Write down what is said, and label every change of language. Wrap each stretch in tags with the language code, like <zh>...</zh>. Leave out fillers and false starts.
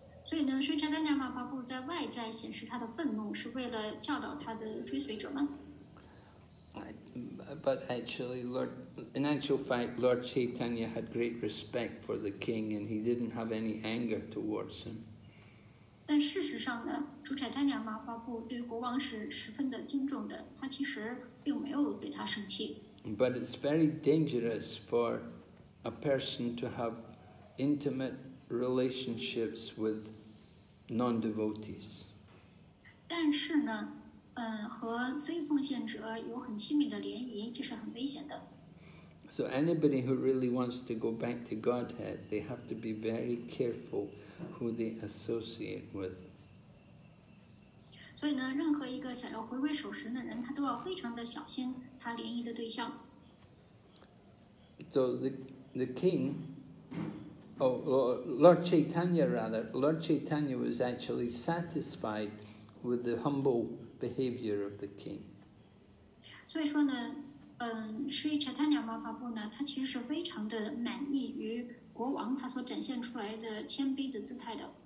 <en>But actually, in actual fact, Lord Chaitanya had great respect for the king, and he didn't have any anger towards him.</en> <zh>但事实上呢, 主柴丹娘妈妈布对国王是十分的尊重的, 他其实并没有对他生气。</zh> <en>But it's very dangerous for a person to have intimate relationships with non-devotees.</en> <zh>但是呢, 和非奉献者有很亲密的联谊，这是很危险的。</zh> <en>So anybody who really wants to go back to Godhead, they have to be very careful who they associate with.</en> <zh>所以呢，任何一个想要回归守时的人，他都要非常的小心他联谊的对象。</zh> <en>So the king, oh Lord Chaitanya rather, Lord Chaitanya was actually satisfied with the humble behavior of the king.</en> <zh>所以说呢, 嗯，Sri Chaitanya妈妈布呢, 他其实是非常的满意于国王他所展现出来的谦卑的姿态的。</zh>